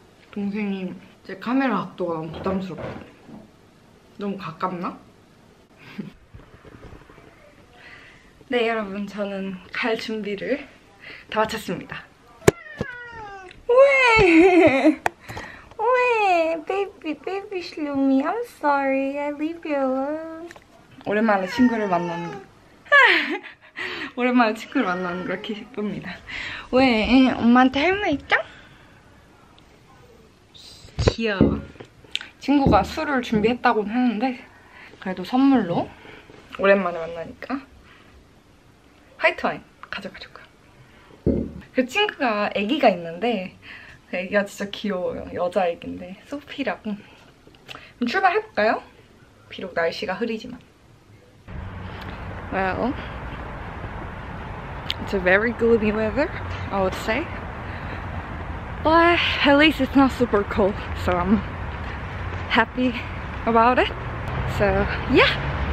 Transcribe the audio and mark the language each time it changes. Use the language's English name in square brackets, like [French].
[Korean] 동생이 제 카메라 각도가 너무 부담스럽다. 너무 가깝나? 네 여러분, 저는 갈 준비를 다 마쳤습니다. 왜? 왜? [English] Baby, baby, Shlumi, I'm sorry, I leave you alone. [Korean] 오랜만에 친구를 만나는 거. 오랜만에 친구를 만나는 거 기쁩니다. 왜? 엄마한테 할 말 있죠? 귀여워. 친구가 술을 준비했다고는 했는데 그래도 선물로 오랜만에 만나니까 화이트 와인 가져가줄 거야. 그 친구가 아기가 있는데 그 아기가 진짜 귀여워요. 여자 아기인데 소피라고. 그럼 출발해볼까요? 비록 날씨가 흐리지만. [English] Well, it's a very gloomy weather, I would say. But at least it's not super cold, so I'm happy about it. So, yeah!